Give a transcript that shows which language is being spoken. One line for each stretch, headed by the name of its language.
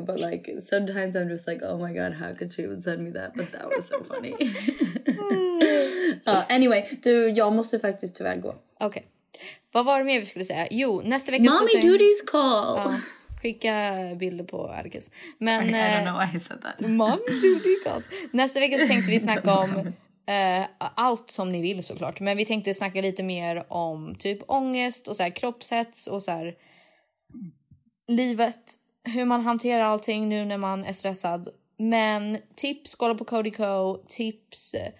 English: But like sometimes I'm just like, oh my god, how could you even send me that? But that was so funny.
Swedish: anyway, du, jag måste faktiskt tyvärr gå.
English: Okay.
Swedish: Vad var det mer vi skulle säga? Jo, nästa vecka...
English: Mommy duties call!
Swedish: Skicka bilder på Arkes. Men
English: sorry, I don't know why I said that.
Swedish: Nästa vecka så tänkte vi snacka om allt som ni vill såklart. Men vi tänkte snacka lite mer om typ ångest och så här, kroppshets och så här, livet. Hur man hanterar allting nu när man är stressad. Men tips, kolla på Cody Ko. Tips.